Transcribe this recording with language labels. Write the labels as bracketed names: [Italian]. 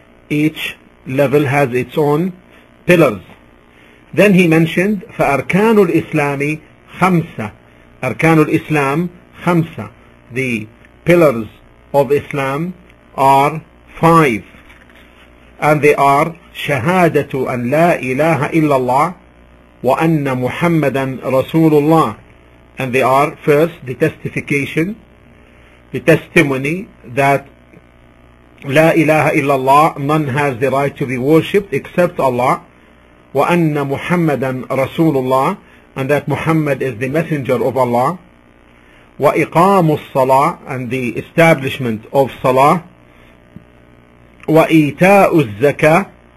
[English] Each level has its own pillars. Then he mentioned [Arabic] فَأَرْكَانُ الْإِسْلَامِ خَمْسَةً. أَرْكَانُ الْإِسْلَامِ خَمْسَةً. [English] The pillars of Islam are five. And they are [Arabic] شَهَادَةُ أَنْ لَا إِلَهَ إِلَّا اللَّهِ وَأَنَّ مُحَمَّدًا رَسُولُ اللَّهِ. [English] And they are, first, the testification, the testimony that [Arabic] لا إله إلا الله, [English] none has the right to be worshipped except Allah, [Arabic] وأن محمدا رسول الله, [English] and that Muhammad is the messenger of Allah, [Arabic] وإقام الصلاة, [English] and the establishment of صلاة, [Arabic] وإيتاء الزكاة,